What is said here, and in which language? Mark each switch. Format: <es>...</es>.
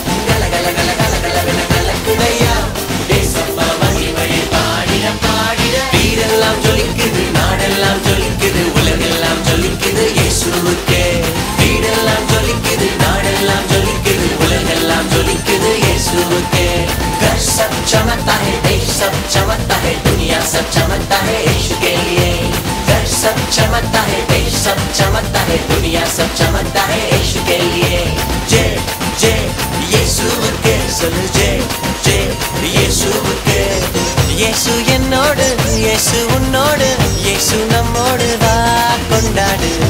<ta>கல கல கல கலவன கலக்குதையா, தேசப்பா மகிமையை பாடிட பாடிட. வீரெல்லாம் ஜொலிக்குது, நாடெல்லாம் ஜொலிக்குது, உலகெல்லாம் ஜொலிக்குது இயேசுவுக்கே. வீரெல்லாம் ஜொலிக்குது, நாடெல்லாம் ஜொலிக்குது, உலகெல்லாம் ஜொலிக்குது.</ta> <hi>घर सब चमकता है, देश सब चमकता है, दुनिया सब चमकता है यीशु के लिए. घर सब चमकता है, देश सब चमकता है, दुनिया सब चमकता है यीशु के लिए. जे जे यीशु के सुन, जे जे यीशु के.</hi> <ta>यीशु என்னோடு, यीशु உன்னோடு, यीशु நம்மோடு வா கொண்டாடு.</ta>